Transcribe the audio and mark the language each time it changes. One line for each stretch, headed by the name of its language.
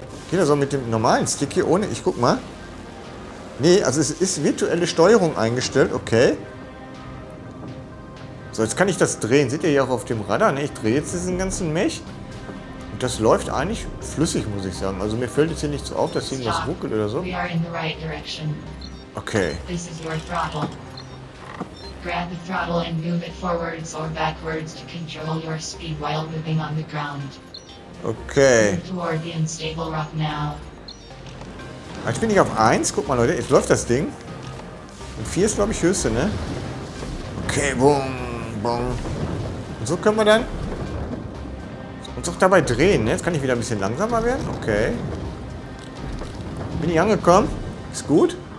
German: Geht also mit dem normalen Stick hier ohne? Ich guck mal. Nee, also es ist virtuelle Steuerung eingestellt, okay. So, jetzt kann ich das drehen. Seht ihr hier auch auf dem Radar? Ne, ich drehe jetzt diesen ganzen Mech. Das läuft eigentlich flüssig, muss ich sagen. Also mir fällt jetzt hier nicht so auf, dass hier irgendwas ruckelt oder so.
English: We are in the right direction. Okay. This is your throttle. Grab the throttle and move it forwards or backwards to control your speed while moving on the ground. Okay. Move toward the unstable rock now.
German: Jetzt bin ich auf 1. Guck mal, Leute, jetzt läuft das Ding. Und 4 ist, glaube ich, höchste, ne? Okay, boom, boom. Und so können wir dann... Und auch dabei drehen, ne? Jetzt kann ich wieder ein bisschen langsamer werden. Okay. Bin ich angekommen. Ist gut.